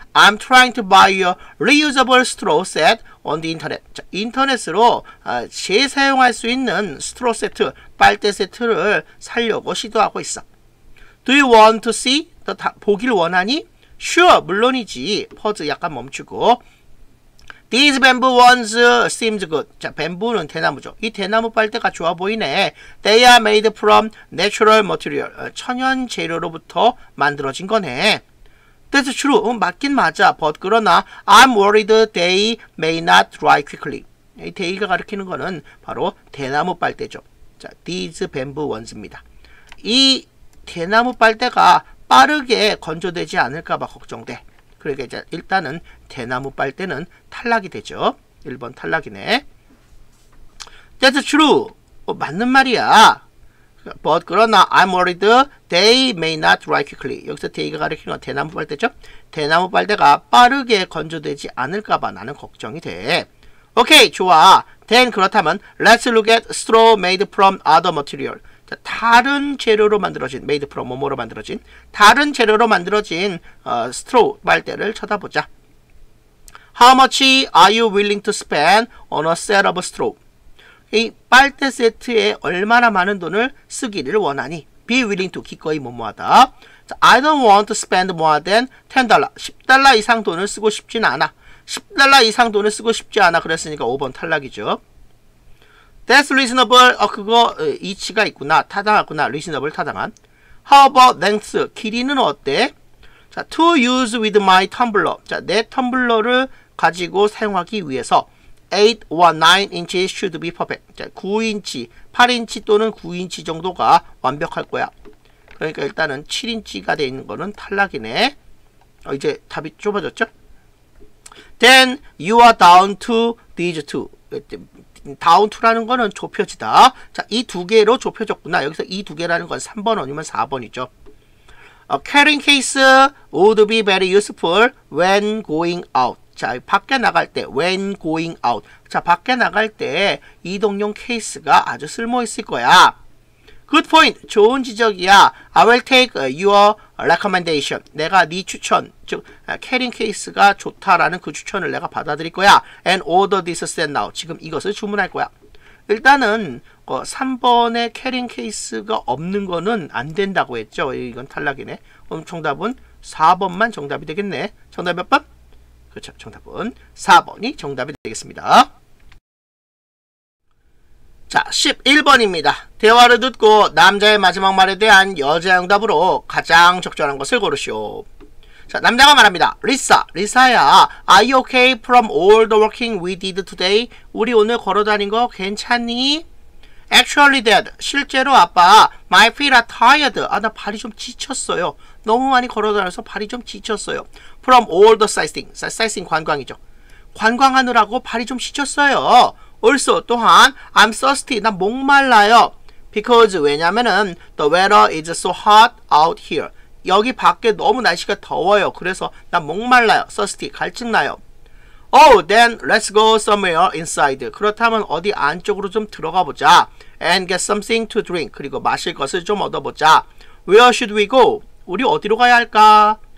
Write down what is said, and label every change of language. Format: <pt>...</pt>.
<en>I'm trying to buy a reusable straw set on the internet.</en> <ko>자, 인터넷으로 재사용할 수 있는 스트로 세트, 빨대 세트를 사려고 시도하고 있어.</ko> <en>Do you want to see?</en> <ko>너 다 보길 원하니?</ko> <en>Sure,</en> <ko>물론이지. 퍼즈 약간 멈추고.</ko> <en>These bamboo ones seems good.</en> <ko>자, 뱀부는 대나무죠. 이 대나무 빨대가 좋아 보이네.</ko> <en>They are made from natural material.</en> <ko>천연 재료로부터 만들어진 거네.</ko> <en>That's true.</en> <ko>맞긴 맞아.</ko> <en>But</en> <ko>그러나</ko> <en>I'm worried they may not dry quickly.</en> <ko>이 they가 가리키는 거는 바로 대나무 빨대죠.</ko> <en>자, these bamboo ones입니다.</en> <ko>이 대나무 빨대가 빠르게 건조되지 않을까 봐 걱정돼. 그러니까 이제 일단은 대나무 빨대는 탈락이 되죠. 1번 탈락이네.</ko> <en>That's true.</en> <ko>맞는 말이야.</ko> <en>But 그러나 I'm worried they may not dry quickly.</en> <ko>여기서 they가 가리키는 건 대나무 빨대죠. 대나무 빨대가 빠르게 건조되지 않을까 봐 나는 걱정이 돼.</ko> <en>Okay,</en> <ko>좋아.</ko> <en>Then</en> <ko>그렇다면</ko> <en>let's look at straw made from other material.</en> <ko>다른 재료로 만들어진,</ko> <en>made from</en> <ko>뭐뭐로 만들어진, 다른 재료로 만들어진 스트로우 빨대를 쳐다보자.</ko> <en>How much are you willing to spend on a set of straw?</en> <ko>이 빨대 세트에 얼마나 많은 돈을 쓰기를 원하니?</ko> <en>Be willing to,</en> <ko>기꺼이 뭐뭐하다.</ko> <en>I don't want to spend more than $10.</en> <ko>10달러 이상 돈을 쓰고 싶진 않아. 10달러 이상 돈을 쓰고 싶지 않아. 그랬으니까 5번 탈락이죠.</ko> <en>That's reasonable.</en> <ko>그거 이치가 있구나. 타당하구나. Reasonable, 타당한.</ko> <en>How about length?</en> <ko>길이는 어때?</ko> <en>자, to use with my tumbler.</en> <ko>자, 내 텀블러를 가지고 사용하기 위해서</ko> <en>8 or 9 inches should be perfect.</en> <ko>자, 9인치, 8인치 또는 9인치 정도가 완벽할 거야. 그러니까 일단은 7인치가 돼 있는 거는 탈락이네. 이제 답이 좁아졌죠?</ko> <en>Then you are down to these two. Down to</en> <ko>라는 거는 좁혀지다. 자, 이 두 개로 좁혀졌구나. 여기서 이 두 개라는 건 3번 아니면 4번이죠.</ko> <en>A carrying case would be very useful when going out.</en> <ko>자, 밖에 나갈 때,</ko> <en>when going out.</en> <ko>자, 밖에 나갈 때 이동용 케이스가 아주 쓸모있을 거야.</ko> <en>Good point.</en> <ko>좋은 지적이야.</ko> <en>I will take your recommendation.</en> <ko>내가 네 추천, 즉 캐링 케이스가 좋다라는 그 추천을 내가 받아들일 거야.</ko> <en>And order this set now.</en> <ko>지금 이것을 주문할 거야. 일단은 3번의 캐링 케이스가 없는 거는 안 된다고 했죠. 이건 탈락이네. 그럼 정답은 4번만 정답이 되겠네. 정답 몇 번? 그렇죠. 정답은 4번이 정답이 되겠습니다. 자, 11번입니다. 대화를 듣고 남자의 마지막 말에 대한 여자의 응답으로 가장 적절한 것을 고르시오. 자, 남자가 말합니다.</ko> <en>리사, 리사야, are you okay from all the walking we did today?</en> <ko>우리 오늘 걸어다닌 거 괜찮니?</ko> <en>Actually, Dad,</en> <ko>실제로 아빠,</ko> <en>my feet are tired.</en> <ko>아, 나 발이 좀 지쳤어요. 너무 많이 걸어다녀서 발이 좀 지쳤어요.</ko> <en>From all the sightseeing, sightseeing</en> <ko>관광이죠. 관광하느라고 발이 좀 지쳤어요.</ko> <en>Also,</en> <ko>또한,</ko> <en>I'm thirsty.</en> <ko>나 목말라요.</ko> <en>Because,</en> <ko>왜냐면은,</ko> <en>the weather is so hot out here.</en> <ko>여기 밖에 너무 날씨가 더워요. 그래서, 나 목말라요.</ko> <en>Thirsty.</en> <ko>갈증나요.</ko> <en>Oh, then, let's go somewhere inside.</en> <ko>그렇다면, 어디 안쪽으로 좀 들어가 보자.</ko> <en>And get something to drink.</en> <ko>그리고 마실 것을 좀 얻어보자.</ko> <en>Where should we go?</en> <ko>우리 어디로 가야 할까?</ko>